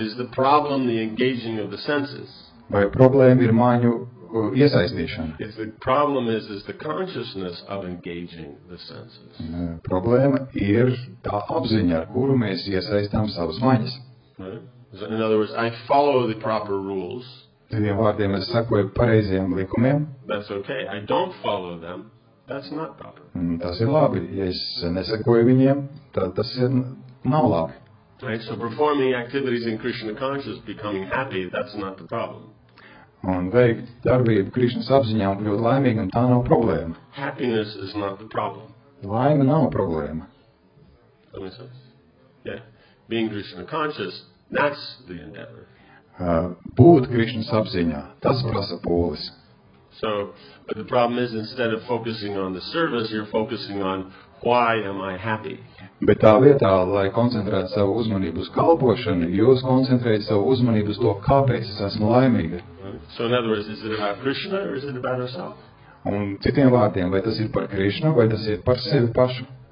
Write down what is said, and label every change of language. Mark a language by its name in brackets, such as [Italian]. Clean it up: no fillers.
[English] Is the problem the engaging of the senses? [Latvian] Vai problēma ir maņu iesaistīšana? [English] If the problem is the consciousness of engaging the senses. [Latvian] Problēma ir tā apziņa, ar kuru mēs iesaistām savas maņas. [English] Right. In other words, I follow the proper rules. [Latvian] Tādiem vārdiem es sakoju pareizajiem likumiem. [English] That's okay. I don't follow them. That's not proper. [Latvian] Tas ir labi. Ja es nesakoju viņiem, tad tas ir nav labi. [English] Right, so performing activities in Krishna consciousness, becoming happy, that's not the problem. [Latvian] Un veikt darbību Krishnas apziņā un kļūt laimīgam, tā nav problēma. [English] Happiness is not the problem. [Latvian] Laime nav problēma. [English] That makes sense. Yeah. Being Krishna conscious, that's the endeavor. [Latvian] Būt Krishnas apziņā, tas prasa pūles. [English] So, but the problem is, instead of focusing on the service, you're focusing on why am I happy? [Latvian] Bet tā vietā, lai koncentrētu savu uzmanību uz kalpošanu, jūs koncentrējat savu uzmanību uz to, kāpēc es esmu laimīga. [English] So, in other words, is it about Krishna or is it about herself? [Latvian] Un citiem vārdiem, vai tas ir par Krishna vai tas ir par sevi pašu?